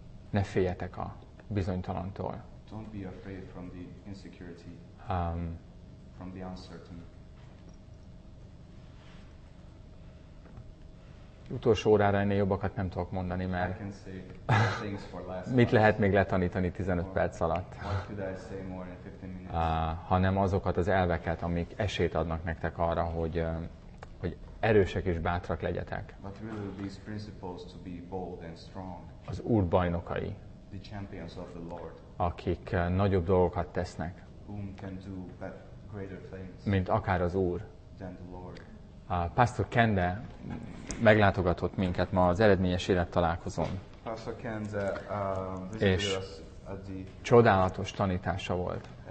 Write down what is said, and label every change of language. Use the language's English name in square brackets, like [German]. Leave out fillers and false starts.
[Hungarian] ne féljetek a bizonytalantól. [English] Don't be afraid from the insecurity, from the uncertain. [Hungarian] Utolsó órára ennél jobbakat nem tudok mondani, mert [English] I can say things for last [Hungarian] mit lehet még letanítani 15 perc alatt? [English] What could I say more in 15 minutes? [Hungarian] Hanem azokat az elveket, amik esélyt adnak nektek arra, hogy erősek és bátrak legyetek. [English] But really these principles to be bold and strong. [Hungarian] Az Úr bajnokai, [English] the champions of the Lord, [Hungarian] akik nagyobb dolgokat tesznek, [English] whom can do greater things, [Hungarian] mint akár az Úr. [English] Than the Lord. [Hungarian] Pastor Kende meglátogatott minket ma az eredményes élet találkozón. [English] Pastor Kende, [Hungarian] és csodálatos tanítása volt.